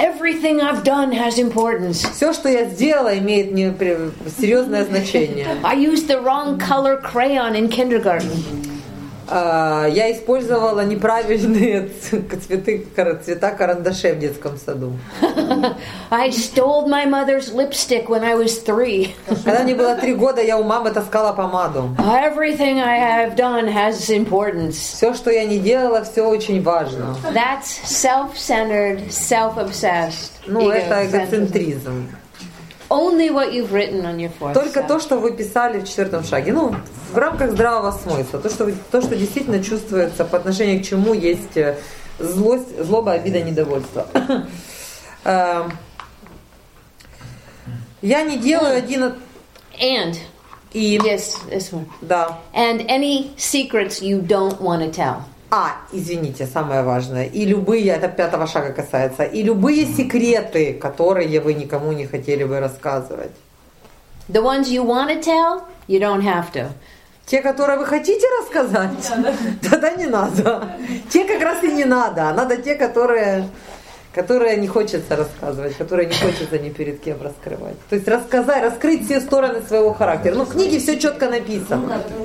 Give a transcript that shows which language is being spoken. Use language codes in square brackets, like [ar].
[en] Everything I've done has importance. [ru] Все, что я сделала, имеет мне серьезное значение. [en] I used the wrong color crayon in kindergarten. [ru] Я использовала неправильные цвета карандашей в детском саду. [en] I stole my mother's lipstick when I was three. [ru] Когда мне было 3 года, я у мамы таскала помаду. [en] Everything I have done has importance. [ru] Все, что я не делала, все очень важно. [en] That's self-centered, self-obsessed. [ru] Ну, это эгоцентризм. [en] Only what you've written on your fourth. [ru] Только то, что вы писали в четвертом шаге. Ну, в рамках здравого смысла. То, что действительно чувствуется по отношению к чему есть злость, злоба, обида, недовольство. Я не делаю один. [en] And. [ru] И. [en] Yes, this one. [ru] Да. [en] And any secrets you don't want to tell. [ru] А, извините, самое важное. И любые, это пятого шага касается, и любые секреты, которые вы никому не хотели бы рассказывать. [en] The ones you want to tell, you don't have to. [ru] Те, которые вы хотите рассказать, тогда не надо. Те как раз и не надо. Надо те, которые не хочется рассказывать, которые не хочется ни перед кем раскрывать. То есть рассказать, раскрыть все стороны своего характера. Ну, в книге все четко написано.